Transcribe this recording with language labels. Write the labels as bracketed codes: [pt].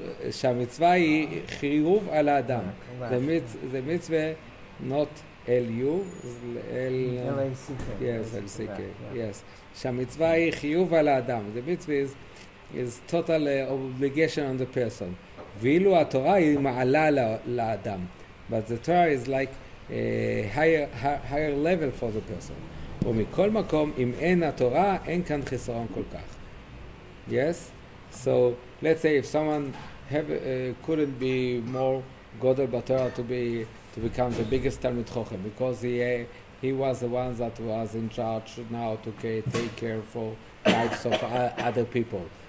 [he] שהמצווה היא חיוב על האדם. [en] The mitzvah not... L-U, L-A-C-K. Yes, L-C-K, yes. [he] שהמצווה היא חיוב על האדם. [en] The mitzvah is total obligation on the person. [he] ואילו התורה היא מעלה לאדם. [en] But the Torah is like higher level for the person. [he] ומכל מקום, אם אין התורה, אין כאן חיסרון כל כך. [en] Yes? So, let's say if someone couldn't be more godel b'Torah to become the biggest Talmid Chochem, because he was the one that was in charge now to take care for lives of other people.